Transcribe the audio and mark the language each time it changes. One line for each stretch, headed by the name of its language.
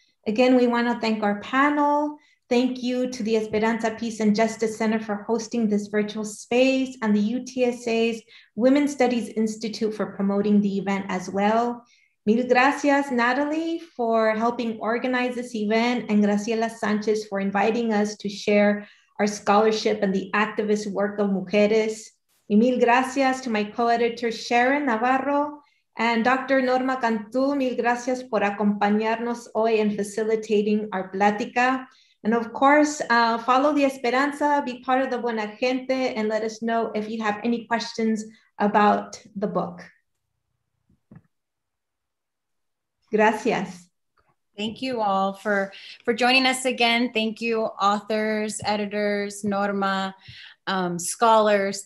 English: Again, we want to thank our panel. Thank you to the Esperanza Peace and Justice Center for hosting this virtual space and the UTSA's Women's Studies Institute for promoting the event as well.
Spanish: Mil gracias,
English: Natalie, for helping organize this event, and Graciela Sanchez for inviting us to share our scholarship and the activist work of mujeres.
Spanish: Y mil gracias
English: to my co-editor, Sharon Navarro, and Dr.
Spanish: Norma Cantú, mil gracias por acompañarnos hoy en
English: facilitating our
Spanish: plática.
English: And of course, follow the Esperanza, be part of the Buena Gente, and let us know if you have any questions about the book.
Spanish: Gracias.
English: Thank you all for joining us again. Thank you, authors, editors, Norma, scholars.